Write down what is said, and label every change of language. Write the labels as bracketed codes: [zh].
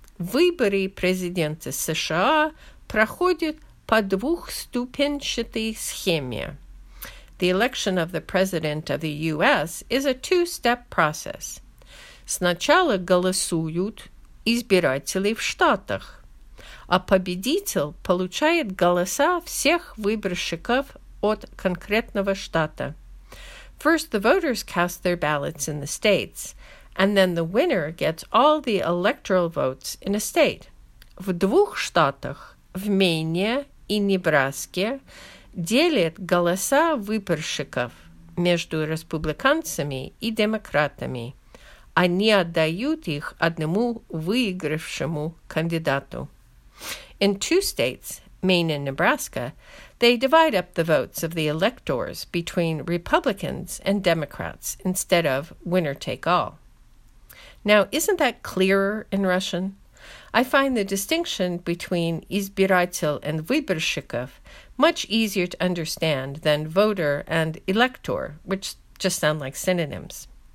[ru] Выборы президента США проходят по двухступенчатой схеме. [en] The election of the president of the U.S. is a two-step process. [ru] Сначала голосуют избиратели в Штатах, а победитель получает голоса всех выборщиков от конкретного штата. [en] First, the voters cast their ballots in the states, and then the winner gets all the electoral votes in a state. [ru] В двух штатах, в Мейне и Небраске, делят голоса выборщиков между республиканцами и демократами. Они отдают их одному выигравшему кандидату. [en] In two states, Maine and Nebraska, they divide up the votes of the electors between Republicans and Democrats instead of winner-take-all. Now, isn't that clearer in Russian? I find the distinction between избиратель and выборщиков much easier to understand than voter and elector, which just sound like synonyms.